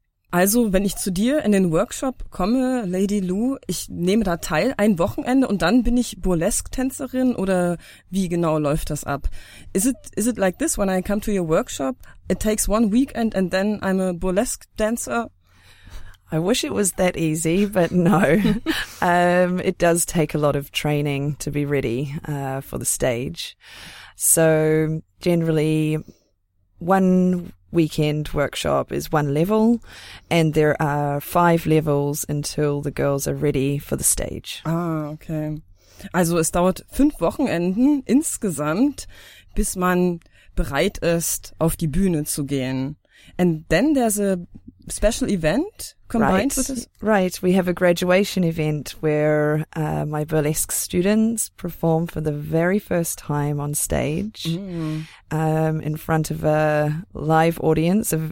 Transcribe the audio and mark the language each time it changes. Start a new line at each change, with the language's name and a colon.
German: Also, wenn ich zu dir in den Workshop komme, Lady Lou, ich nehme da teil ein Wochenende und dann bin ich Burlesque-Tänzerin oder wie genau läuft das ab?
English: Is it like this, when I come to your workshop, it takes one weekend and then I'm a burlesque dancer? I wish it was that easy, but no. It does take a lot of training to be ready for the stage. So generally, one weekend workshop is one level, and there are five levels until the girls are ready for the stage. Ah, okay.
German: Also es dauert 5 Wochenenden insgesamt, bis man bereit ist, auf die Bühne zu gehen.
English: And then there's a special event combined with this? Right. We have a graduation event where my burlesque students perform for the very first time on stage in front of a live audience.